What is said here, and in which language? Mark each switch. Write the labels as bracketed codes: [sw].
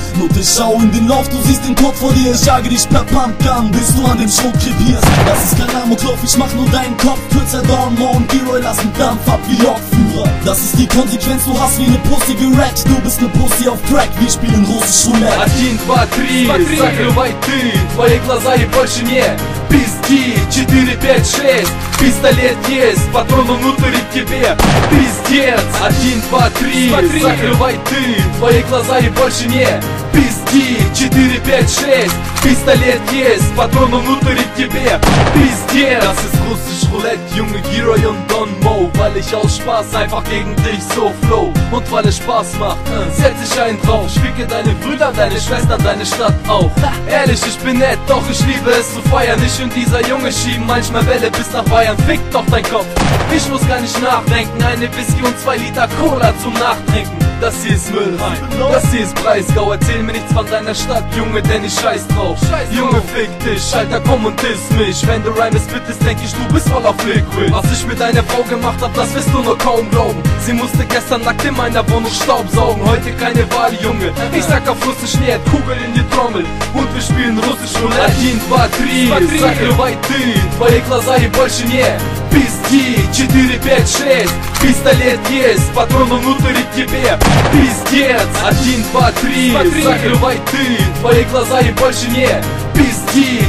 [de] Nur ich schau in den Lauf, du siehst den Tod vor dir. Ich jage dich per Pumpgun, bis du an dem Schrott krepierst. Das ist kein Amoklauf, ich mach nur deinen Kopf kürzer. Dornmo und Geroy lassen Dampf ab wie Lokführer. Das ist die Konsequenz, du hast wie ne Pussy gerackt. Du bist ne Pussy auf Crack, wir spielen Russisch Roulette. [ru] 1, 2, 3, закрывай ты твои глаза и больше не пизди. 4, 5, 6, пистолет есть, патроны внутри тебе, пиздец. 1, 2, 3, закрывай ты твои глаза и больше не пизди. 4, 5, 6, пистолет есть, патроны внутри тебе, пиздец. [de] Das ist Russisch Roulette, junge Geroy und Don Mo. Weil ich aus Spaß einfach gegen dich so flow. Und weil es Spaß macht, setz ich einen drauf. Spicke deine Brüder, deine Schwestern, deine Stadt auch. Ehrlich, ich bin nett, doch ich liebe es zu feiern. Ich und dieser Junge schieben manchmal Welle bis nach Bayern. Fick doch dein Kopf, ich muss gar nicht nachdenken. Eine Whisky und 2 Liter Cola zum Nachtrinken. Das hier ist Müllheim, das hier ist Breisgau. Erzähl mir nichts von deiner Stadt, Junge, denn ich scheiß drauf. Junge, fick dich, Alter, komm und diss mich. Wenn du Rhyme spittest, denk ich, du bist voll auf Liquid. Was ich mit deiner Frau gemacht hab, das wirst du nur kaum glauben. Sie musste gestern nackt in meiner Wohnung Staub saugen. Heute keine Wahl, Junge, ich sag auf Russisch nicht. Kugel in die Trommel und wir spielen Russisch Roulette. [ru] 1, 2, 3, закрывай ты твои глаза и больше не пизди. 4, 5, 6, пистолет есть, патроны внутри тебе, пиздец. 1, 2, 3, закрывай ты твои глаза и больше не пизди.